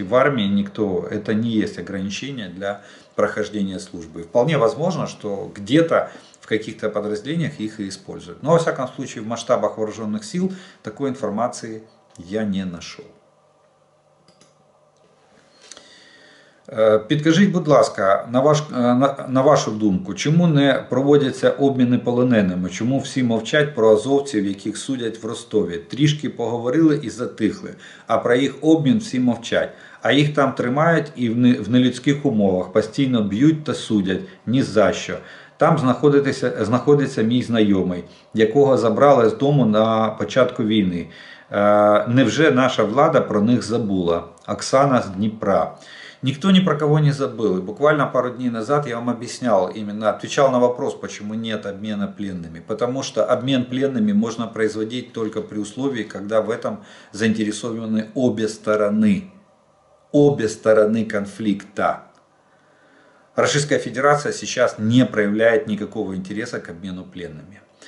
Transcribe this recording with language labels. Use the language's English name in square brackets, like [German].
[Russian] В армии никто, это не есть ограничение для прохождения службы. Вполне возможно, что где-то в каких-то подразделениях их и используют. Но, во всяком случае, в масштабах вооруженных сил такой информации я не нашел. [Ukrainian] Підкажіть, будь ласка, на вашу думку, чому не проводяться обміни полоненими? Чому всі мовчать про азовців, яких судять в Ростові? Трішки поговорили і затихли, а про їх обмін всі мовчать. А їх там тримають і в нелюдських умовах, постійно б'ють та судять, ні за що. Там знаходиться мій знайомий, якого забрали з дому на початку війни. Невже наша влада про них забула? Оксана з Дніпра. [Russian] Никто ни про кого не забыл. И буквально пару дней назад я вам объяснял, именно отвечал на вопрос, почему нет обмена пленными. Потому что обмен пленными можно производить только при условии, когда в этом заинтересованы обе стороны. Обе стороны конфликта. Российская Федерация сейчас не проявляет никакого интереса к обмену пленными.